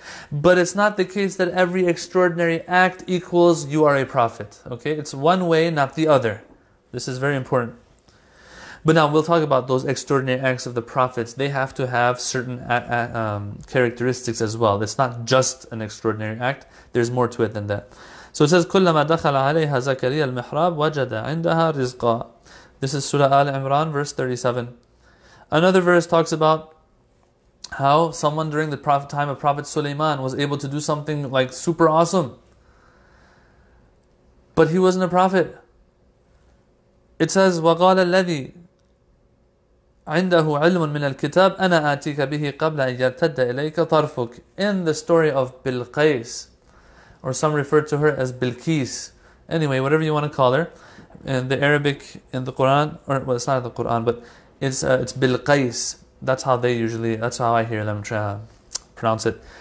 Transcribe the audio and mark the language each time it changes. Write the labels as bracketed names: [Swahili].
[English] But it's not the case that every extraordinary act equals you are a prophet. Okay? It's one way, not the other. This is very important. But now we'll talk about those extraordinary acts of the prophets. They have to have certain characteristics as well. It's not just an extraordinary act. There's more to it than that. So it says, [Arabic] كُلَّمَا دَخَلَ عَلَيْهَا زَكَرِيَّا الْمِحْرَابِ وَجَدَ عِنْدَهَا رِزْقًا. [English] This is Surah Al-Imran, verse 37. Another verse talks about how someone during the time of Prophet Sulaiman was able to do something like super awesome. But he wasn't a prophet. It says, [Arabic] وَقَالَ الَّذِي عِنْدَهُ عِلْمٌ مِنَ الْكِتَابِ أَنَا آتِيكَ بِهِ قَبْلَ أَنْ يَرْتَدَّ إِلَيْكَ طَرْفُكَ. [English] In the story of Bilqais, or some refer to her as Bilqis. Anyway, whatever you want to call her. In the Arabic, in the Quran, or well, it's not the Quran, but it's Bilqais. That's how I hear them pronounce it.